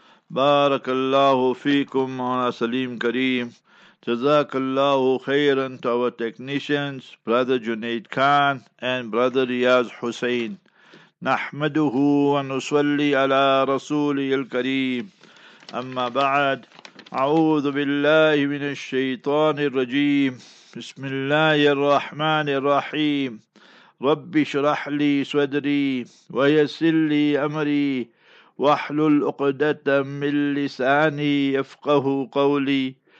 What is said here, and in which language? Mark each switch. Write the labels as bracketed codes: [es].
[ar] بارك الله فيكم على سليم كريم. جزاك الله خيرا [en] to our technicians, Brother Junaid Khan and Brother Riyaz Hussain. [ar] نحمده ونصلي على رسوله الكريم. أما بعد، أعوذ بالله من الشيطان الرجيم. بسم الله الرحمن الرحيم. رب اشرح لي صدري ويسر لي أمري وَاحْلُلْ عُقْدَةً مِّن لِّسَانِي يَفْقَهُوا قَوْلِي.